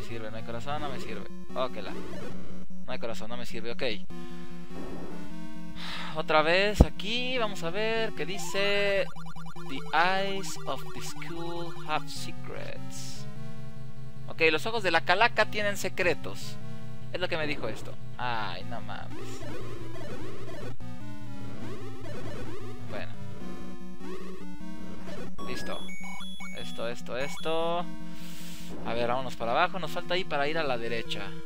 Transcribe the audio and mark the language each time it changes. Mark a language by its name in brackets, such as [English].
[Spanish] No hay corazón, no me sirve. Ok, la. No hay corazón, no me sirve, ok. Otra vez aquí, vamos a ver qué dice. [English] The eyes of the school have secrets. [Spanish] Ok, los ojos de la calaca tienen secretos. Es lo que me dijo esto. Ay, no mames. Bueno. Listo. Esto. A ver, vámonos para abajo. Nos falta ahí para ir a la derecha.